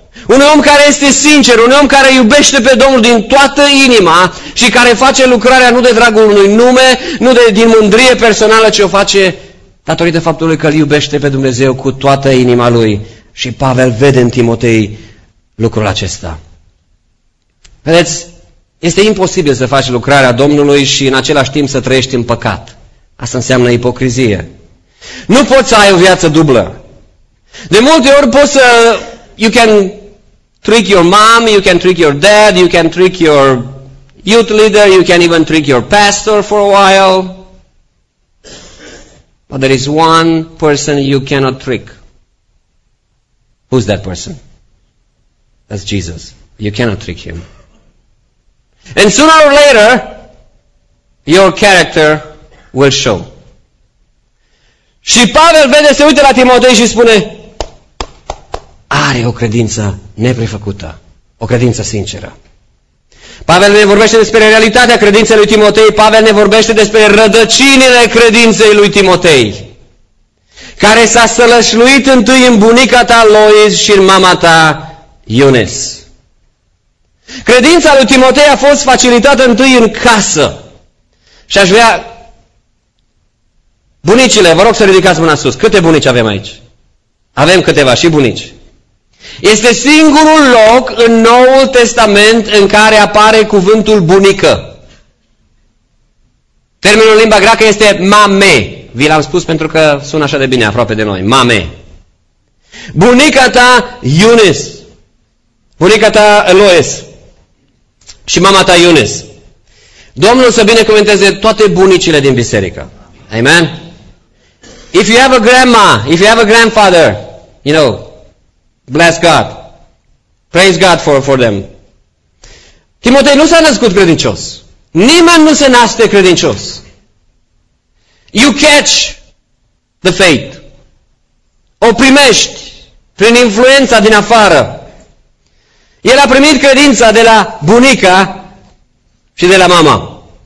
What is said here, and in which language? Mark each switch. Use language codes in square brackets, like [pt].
[ro] Un om care este sincer, un om care iubește pe Domnul din toată inima și care face lucrarea nu de dragul unui nume, nu de din mândrie personală, ci o face datorită faptului că îl iubește pe Dumnezeu cu toată inima lui. Și Pavel vede în Timotei lucrul acesta. Vedeți? Este imposibil să faci lucrarea Domnului și în același timp să trăiești în păcat. Asta înseamnă ipocrizie. Nu poți să ai o viață dublă. De multe ori poți să... [en] You can trick your mom, you can trick your dad, you can trick your youth leader, you can even trick your pastor for a while. But there is one person you cannot trick. Who's that person? That's Jesus. You cannot trick him. And sooner or later, your character will show. [ro] Și Pavel vede, se uită la Timotei și spune, are o credință neprefăcută, o credință sinceră. Pavel ne vorbește despre realitatea credinței lui Timotei, Pavel ne vorbește despre rădăcinile credinței lui Timotei, care s-a sălășluit întâi în bunica ta Lois și în mama ta Iunes. Credința lui Timotei a fost facilitată întâi în casă. Și aș vrea... Bunicile, vă rog să ridicați mâna sus. Câte bunici avem aici? Avem câteva și bunici. Este singurul loc în Noul Testament în care apare cuvântul bunică. Termenul în limba greacă este mame. Vi l-am spus pentru că sună așa de bine aproape de noi. Mame. Bunica ta, Iunes. Bunica ta, Lois. Și mama ta, Iunes. Domnul să binecuvânteze toate bunicile din biserică. Amen? [en] If you have a grandma, if you have a grandfather, you know, bless God. Praise God for them. [ro] Timotei nu s-a născut credincios. Nimeni nu se naște credincios. [en] You catch the faith. [ro] O primești prin influența din afară. El a primit credința de la bunica și de la mama.